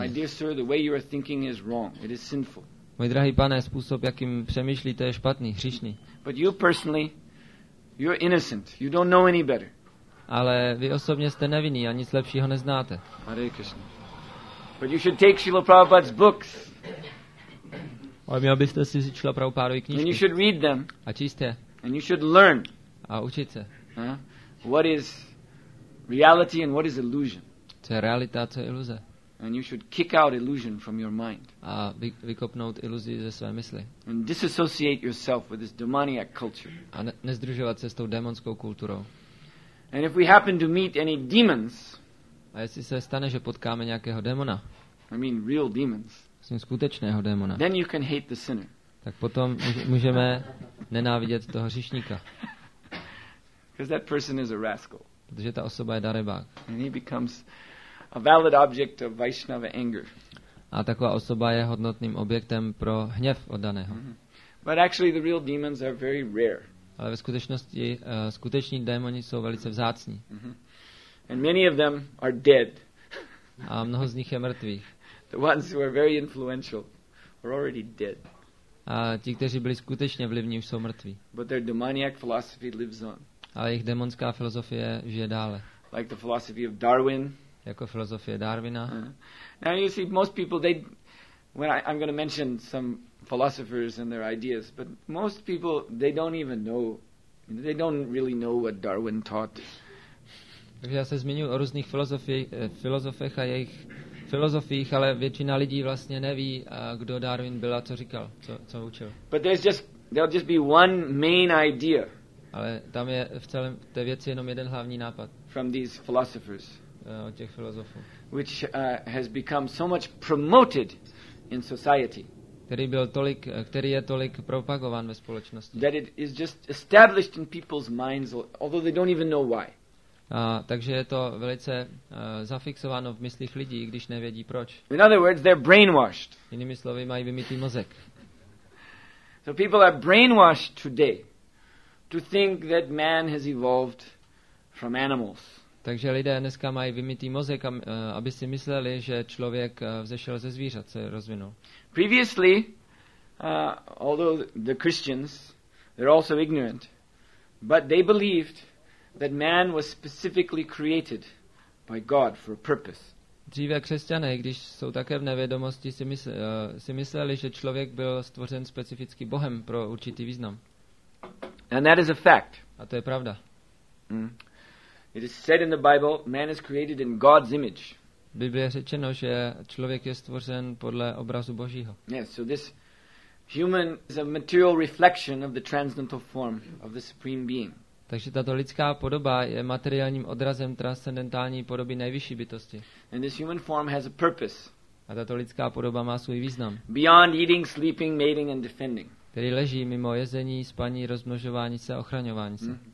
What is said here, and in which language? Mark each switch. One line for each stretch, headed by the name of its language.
English: My dear sir, the way you are thinking is wrong. It is sinful.
Czech: Můj drahý pane, způsob, jakým přemýšlíte, je špatný, hříšný.
English: But you personally, you're innocent. You don't know any better.
Czech: Ale vy osobně jste nevinný a nic lepšího neznáte.
English: Hare Krishna. But you should take Srila Prabhupada's books.
Czech: Ale měl byste si Srila Prabhupádovy knížky.
English: And you should read them.
Czech: A číst je.
English: And you should learn.
Czech: A učit se.
English: What is reality and what is illusion?
Czech: Co je realita, co je iluze.
English: And you should kick out illusion from your mind.
Czech: A vykopnout iluzi ze své mysli.
English: And disassociate yourself with this demonic culture.
Czech: A nezdružovat se s tou démonskou kulturou.
English: And if we happen to meet any demons,
Czech: a jestli se stane, že potkáme nějakého démona,
English: I mean real demons,
Czech: myslím skutečného démona,
English: then you can hate the sinner.
Czech: Tak potom můžeme nenávidět toho hříšníka.
English: Because that person is a rascal.
Czech: Protože ta osoba je darebák.
English: And he becomes a valid object of Vaishnava anger.
Czech: A taková osoba je hodnotným objektem pro hněv oddaného.
English: But actually the real demons are very rare.
Czech: Ale ve skutečnosti skuteční démoni jsou velice vzácní.
English: And many of them are dead.
Czech: A mnoho z nich je mrtvých.
English: The ones who are very influential are already dead.
Czech: A ti, kteří byli skutečně vlivní, už jsou mrtví.
English: But their demoniac philosophy lives on.
Czech: Ale jejich démonská filozofie žije dále.
English: Like the philosophy of Darwin.
Czech: Jako filozofie Darwina.
English: Now you see most people they when I'm going to mention some philosophers and their ideas, but most people they don't even know, they don't really know what Darwin taught.
Czech: Takže já se zmiňuji o různých filozofech a jejich filozofiích, ale většina lidí vlastně neví, kdo Darwin byl a co říkal, co učil.
English: But there'll just be one main idea.
Czech: Ale tam je v celém té věci jenom jeden hlavní nápad.
English: From these philosophers.
Czech: Od těch filozofů.
English: Which has become so much promoted in society.
Czech: Který je tolik propagován ve společnosti.
English: That it is just established in people's minds, although they don't even know why.
Czech: Takže je to velice zafixováno v myslích lidí, když nevědí proč.
English: In other words, they're brainwashed.
Czech: Jinými slovy, mají vymytý mozek.
English: So people are brainwashed today to think that man has evolved from animals.
Czech: Takže lidé dneska mají vymytý mozek, aby si mysleli, že člověk vzešel ze zvířat, se rozvinul.
English: Previously, although the Christians, they're also ignorant, but they believed that man was specifically created by God for a purpose.
Czech: Dříve křesťané, když jsou také v nevědomosti, si mysleli, že člověk byl stvořen specificky Bohem pro určitý význam.
English: And that is a fact.
Czech: A to je pravda.
English: It is said in the Bible, man is created in God's image.
Czech: Bible je řečeno, že člověk je stvořen podle obrazu Božího.
English: Yes, so this human is a material reflection of the transcendental form of the supreme being.
Czech: Takže tato lidská podoba je materiálním odrazem transcendentální podoby nejvyšší bytosti.
English: And this human form has a purpose.
Czech: A tato lidská podoba má svůj význam.
English: Beyond eating, sleeping, mating and defending.
Czech: Který leží mimo jezení, spaní, rozmnožování se, ochraňování se.